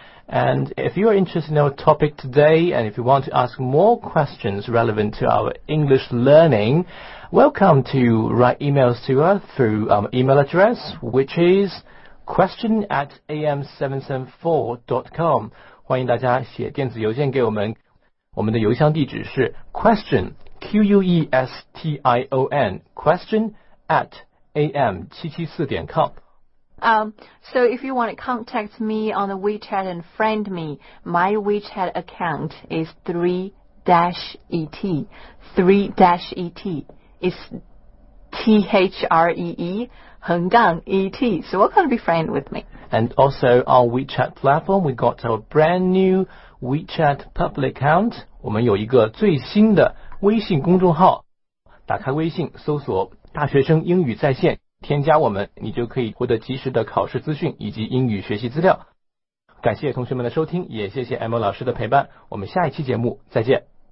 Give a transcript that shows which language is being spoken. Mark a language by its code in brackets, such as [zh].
[en] And if you are interested in our topic today and if you want to ask more questions relevant to our English learning, welcome to write emails to us through our email address, which is question@am774.com. [zh] 欢迎大家写电子邮件给我们。我们的邮箱地址是 question@am774.com. [en] So if you want to contact me on the WeChat and friend me, my WeChat account is 3-ET. 3-ET. It's THREE, 横杠 ET. So what can be friend with me? And also our WeChat platform, we got our brand new WeChat public account. [zh] 我们有一个最新的微信公众号，打开微信搜索大学生英语在线，添加我们，你就可以获得及时的考试资讯以及英语学习资料。感谢同学们的收听，也谢谢 Emma 老师的陪伴，我们下一期节目再见。